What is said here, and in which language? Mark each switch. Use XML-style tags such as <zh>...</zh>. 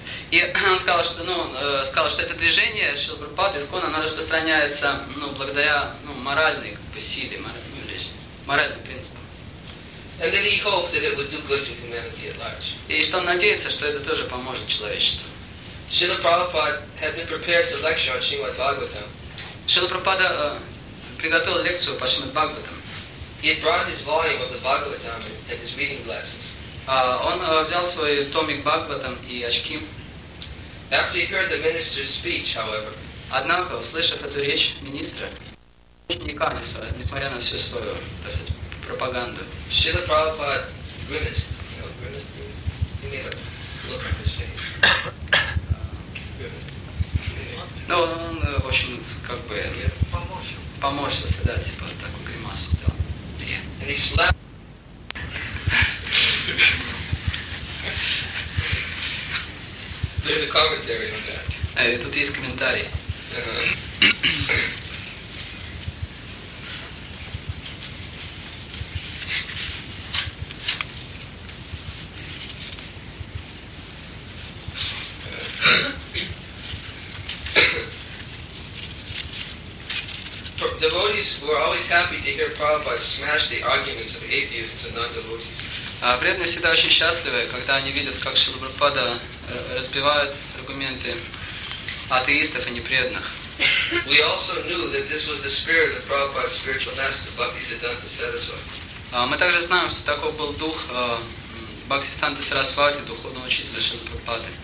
<ru>И он сказал, что это движение Шрилы Прабхупады ИСККОН, оно распространяется благодаря моральной силе, моральным принципам.</ru> <en>And then he hoped that it would do good to humanity at large.</en> <ru>И что он надеется, что это тоже поможет человечеству.</ru> <en>Шрила Прабхупада had been prepared to lecture on Srimad Bhagavatam.</en> <ru>Шрила Прабхупада приготовил лекцию по Шримад Бхагаватам.</ru> <en>He had brought his volume of the Bhagavatam and his reading glasses.</en> <ru>Взял свой томик Бхагаватам и очки.</ru> <en>After he heard the minister's speech, however,</en> <ru>однако, услышав эту речь министра, несмотря на всю свою, пропаганду,</ru> <en>Srila Prabhupada grimaced. Grimaced means he made a look on his face. Grimaced.</en> <ru>Поморщился, да, такой гримасу сделал.</ru> <en>And he slapped. There's a commentary on that.</en> <ru>Hey, тут есть комментарий.</ru> <en>Devotees were always happy to hear Prabhupada smash the arguments of atheists and non-devotees.</en> <ru>Преданные всегда очень счастливы, когда они видят, как Шрила Прабхупада разбивает аргументы атеистов и непреданных.</ru> <en>We also knew that this was the spirit of Prabhupada's spiritual master, Bhaktisiddhanta Sarasvati.</en> <ru>Мы также знаем, что таков был дух Бхактисиддханта Сарасвати, духовного учителя Шрилы Прабхупады.</ru>